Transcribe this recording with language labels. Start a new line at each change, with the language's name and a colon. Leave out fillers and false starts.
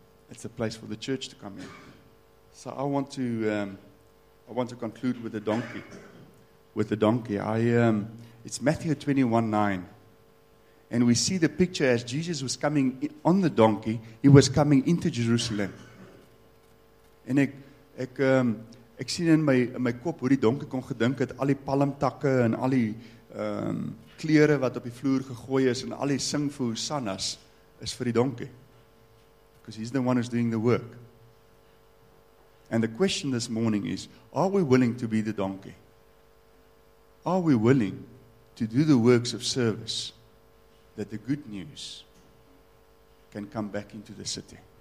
English: It's a place for the church to come in. So I want to conclude with a donkey. With a donkey. It's Matthew 21:9. And we see the picture as Jesus was coming on the donkey, he was coming into Jerusalem.
Afrikaans: En ek ek sien in my kop hoe die donkie kon gedink het al die palmtakke en al die klere wat op die vloer gegooi is en al die sing vir Hosannas is vir die donkie.
English: Because he's the one who's doing the work. And the question this morning is, are we willing to be the donkey? Are we willing to do the works of service that the good news can come back into the city?